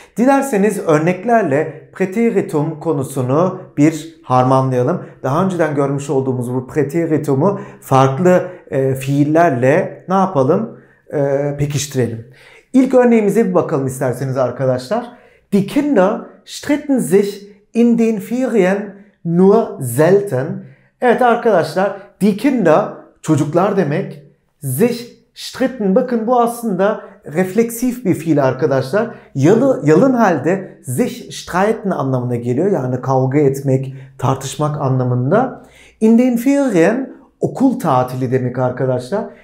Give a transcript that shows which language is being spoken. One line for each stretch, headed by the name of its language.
Turkish: Dilerseniz örneklerle preteritum konusunu bir harmanlayalım. Daha önceden görmüş olduğumuz bu preteritumu farklı fiillerle ne yapalım? Pekiştirelim. İlk örneğimize bir bakalım isterseniz arkadaşlar.
German: Die Kinder streiten sich in den Ferien nur selten.
Turkish: Evet arkadaşlar,
German: die Kinder
Turkish: çocuklar demek.
German: Sich streiten,
Turkish: bakın bu aslında refleksif bir fiil arkadaşlar. Yalın halde
German: sich streiten
Turkish: anlamına geliyor. Yani kavga etmek, tartışmak anlamında.
German: In den Ferien,
Turkish: okul tatili demek arkadaşlar.